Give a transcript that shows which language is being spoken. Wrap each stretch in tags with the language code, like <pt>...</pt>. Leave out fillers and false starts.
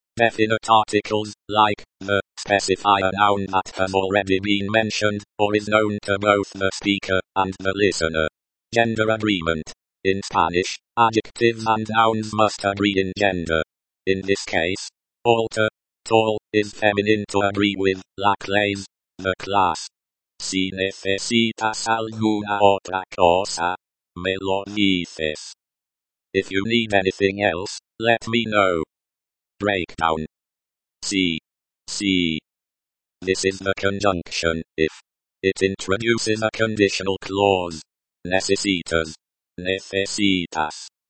<en>Definite articles, like the, specify a noun that has already been mentioned or is known to both the speaker and the listener. Gender agreement. In Spanish, adjectives and nouns must agree in gender. In this case, alter, tall, is feminine to agree with, la clase, the class.</en> <es>Si necesitas alguna otra cosa, me lo dices.</es> <en>If you need anything else, let me know. Breakdown.</en> <es>Si. Si.</es> <en>This is the conjunction, if. It introduces a conditional clause.</en> <es>Necesitas. Necesitas.</es>